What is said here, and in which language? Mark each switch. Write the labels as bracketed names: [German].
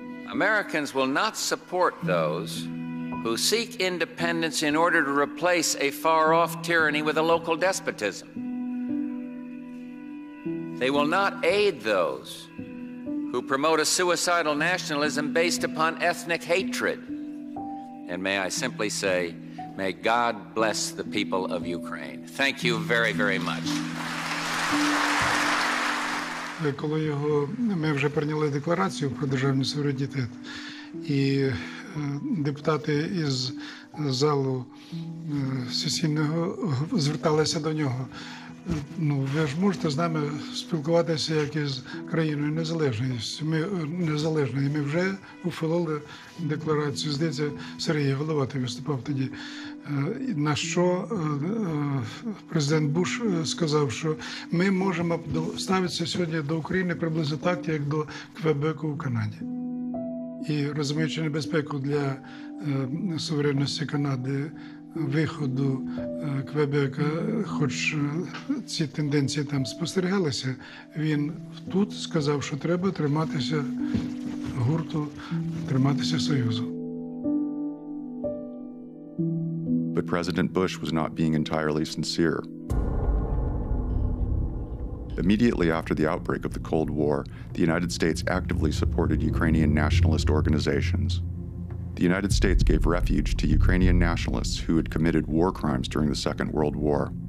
[English] Americans will not support those who seek independence in order to replace a far-off tyranny with a local despotism. They will not aid those who promote a suicidal nationalism based upon ethnic hatred. And may I simply say, may God bless the people of Ukraine. Thank you very, very much. [Ukrainian] Коли його, ми вже прийняли декларацію про державний суверенітет, і депутати із залу сесійного зверталися до нього. Ну, ви ж можете з нами спілкуватися, як із країною незалежною. Ми незалежні, ми вже ухвалили декларацію. Здається, Сергій Головатий виступав тоді. На що президент Буш сказав, що ми можемо ставитися сьогодні до України приблизно так, як до Квебеку в Канаді. І розуміючи небезпеку для суверенності Канади, виходу Квебека, хоч ці тенденції там спостерігалися, він тут сказав, що треба триматися гурту, триматися Союзу. [English] But President Bush was not being entirely sincere. Immediately after the outbreak of the Cold War, the United States actively supported Ukrainian nationalist organizations. The United States gave refuge to Ukrainian nationalists who had committed war crimes during the Second World War.